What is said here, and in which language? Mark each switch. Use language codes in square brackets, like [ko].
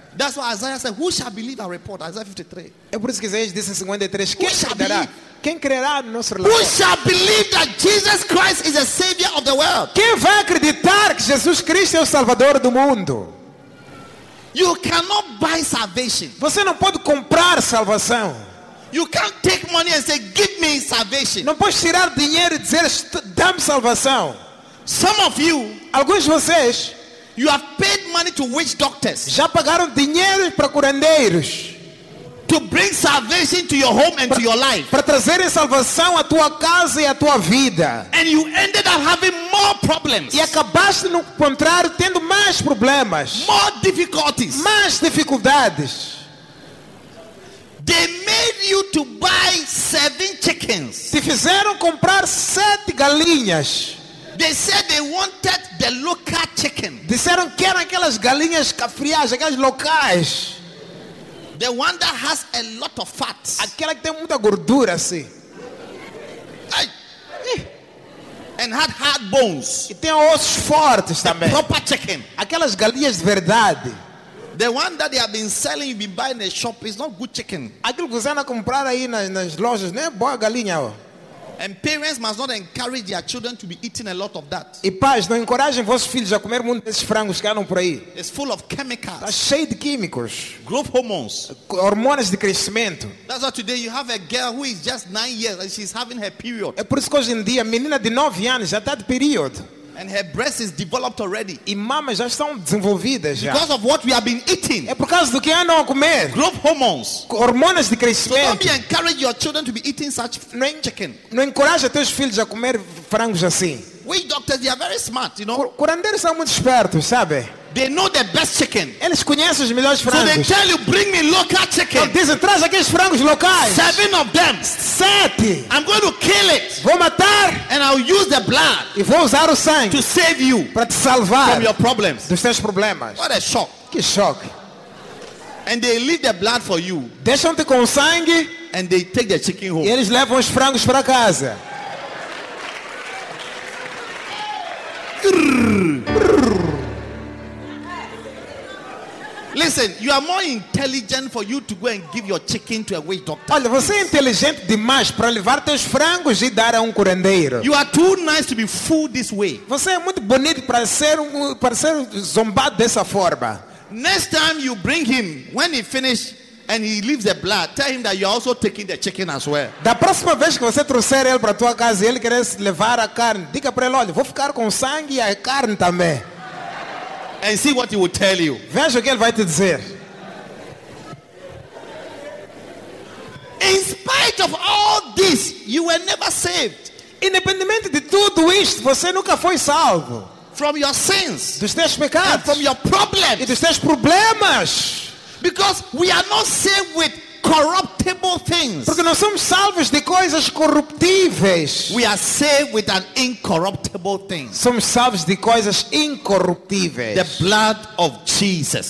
[en] That's why Isaiah said, who shall believe our report? Isaiah 53. [pt] É por isso que Isaías disse em 53, quem crerá? Quem crerá no nosso relato? [en] Who shall believe that Jesus Christ is a savior of the world? [pt] Quem vai acreditar que Jesus Cristo é o Salvador do mundo? [en] You cannot buy salvation. [pt] Você não pode comprar salvação. [en] You can't take money and say, give me salvation. [pt] Não pode tirar dinheiro e dizer, dá-me salvação. [en] Some of you, [pt] alguns de vocês, [en] you have paid money to witch doctors. [pt] Já pagaram dinheiro para curandeiros. [en] To bring salvation to your home and [pt] pra, [en] to your life. [pt] Para trazer salvação à tua casa e à tua vida. [en] And you ended up having more problems. [pt] E acabaste no contrário tendo mais problemas. [en] More difficulties. [pt] Mais dificuldades. [en] They made you to buy 7 chickens. [pt] Te fizeram comprar 7 galinhas. [en] They said they wanted the local chicken. [pt] Disseram que eram aquelas galinhas cafriais, aquelas locais. [en] The one that has a lot of fat. [pt] Aquela que tem muita gordura, sim. [en] Ai. And had hard bones. [pt] E tem ossos fortes também. [en] The proper chicken. [pt] Aquelas galinhas de verdade. [en] The one that they have been selling, you've been buying in the shop, is not good chicken. [pt] Aquilo que você anda a comprar aí nas lojas, não é boa galinha, ó. [en] And parents must not encourage their children to be eating a lot of that. [pt] E pais, não encorajem vossos filhos a comer muito desses frangos que andam por aí. [en] It's full of chemicals. [pt] Está cheio de químicos. [en] Growth hormones. [pt] Hormônios de crescimento. [en] That's why today you have a girl who is just 9 years and she's having her period. [pt] É por isso que hoje em dia a menina de 9 anos já está de período. [en] And her breast is developed already. [pt] E mamas já estão desenvolvidas já. [en] Because of what we have been eating. [pt] É por causa do que andam a comer. [en] Growth hormones. [pt] Hormônios de crescimento. [en] So don't be encourage your children to be eating such chicken. [pt] Não encoraja teus filhos a comer frangos assim. [en] We doctors, they are very smart, you know. [pt] Curandeiros são muito espertos, sabe? [en] They know the best chicken. [pt] Eles conhecem os melhores frangos. [en] So they tell you, bring me local chicken. [pt] Então dizem, traz aqueles frangos locais. [en] 7 of them. [pt] 7. [en] I'm going to kill it. [pt] Vou matar. [en] And I'll use the blood. [pt] E vou usar o sangue. [en] To save you. [pt] Para te salvar. [en] From your problems. [pt] Dos teus problemas. [en] What a shock. [pt] Que shock. [en] And they leave the blood for you. [pt] Deixam-te com o sangue. [en] And they take the chicken home. [pt] E eles levam os frangos para casa. [en] Listen, you are more intelligent for you to go and give your chicken to a witch doctor. [pt] Olha, você é inteligente demais para levar teus frangos e dar a curandeiro. [en] You are too nice to be fooled this way. [pt] Você é muito bonito para ser zombado dessa forma. [en] Next time you bring him, when he finishes and he leaves the blood, tell him that you are also taking the chicken as well. [pt] Da próxima vez que você trouxer ele para tua casa e ele quer levar a carne, diga para ele, olha, vou ficar com sangue e a carne também. [en] And see what he will tell you. [pt] Veja o que ele vai te dizer. [en] In spite of all this, you were never saved. [pt] Independentemente de tudo isto, você nunca foi salvo. [en] From your sins, [pt] dos teus pecados, [en] and from your problems, [pt] e dos teus problemas. [en] Because we are not saved with corruptible things. [pt] Porque nós somos salvos de coisas corruptíveis. [en] We are saved with an incorruptible thing. [pt] Somos salvos de coisas incorruptíveis. [en] The blood of Jesus.